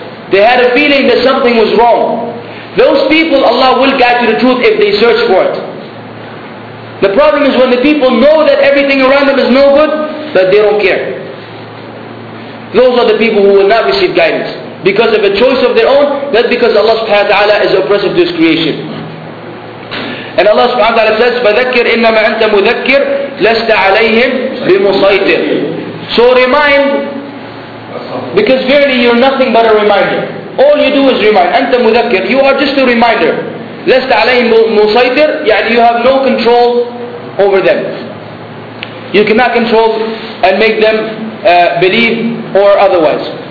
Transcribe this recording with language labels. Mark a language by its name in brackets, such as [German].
[English] They had a feeling that something was wrong. Those people, Allah will guide to the truth if they search for it. The problem is when the people know that everything around them is no good, that they don't care. Those are the people who will not receive guidance. Because of a choice of their own, not because Allah subhanahu wa ta'ala is oppressive to his creation. And Allah subhanahu wa ta'ala says, [Arabic] فَذَكِّرْ إِنَّمَا أَنْتَ مُذَكِّرْ لَسْتَ عَلَيْهِمْ بِمُصَيْطِرْ. [English] So remind, because verily you're nothing but a reminder. All you do is remind. [Arabic] أنت مذكر. [English] You are just a reminder. [Arabic] لَسْتَ عَلَيْهِمْ مُصَيْطِرْ. [English] يعني you have no control over them. You cannot control and make them believe or otherwise.